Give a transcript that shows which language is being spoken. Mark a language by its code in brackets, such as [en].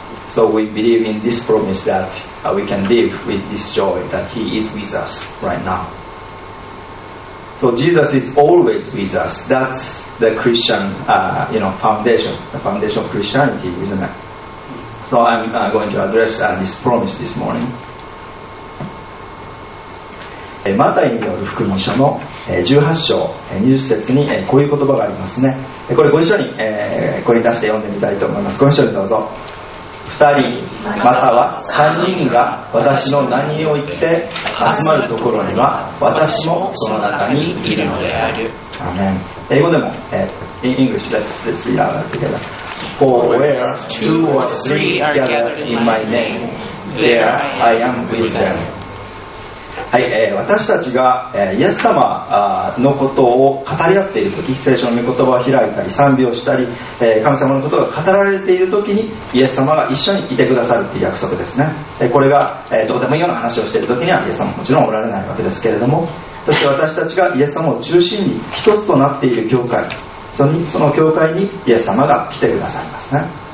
[en] So we believe in this promise that we can live with this joy that He is with us right now. So Jesus is always with us. That's the Christian foundation, the foundation of Christianity, isn't it? So I'm going to address this promise this morning. [ja] マタイによる福音書の18章20節にこういう言葉がありますね。これご一緒に声に出して読んでみたいと思います。ご一緒にどうぞ。 2人または3人が私の名において集まるところには私もその中にいるのである。アメン。英語でも [en] In English, let's read out together. For where two or three are gathered in my name, there I am with them. [ja] はい、私たちが、イエス様のことを語り合っているとき、聖書の御言葉を開いたり賛美をしたり、神様のことが語られているときにイエス様が一緒にいてくださるという約束ですね。これが、どうでもいいような話をしているときにはイエス様ももちろんおられないわけですけれども、そして私たちがイエス様を中心に一つとなっている教会、その教会にイエス様が来てくださいますね。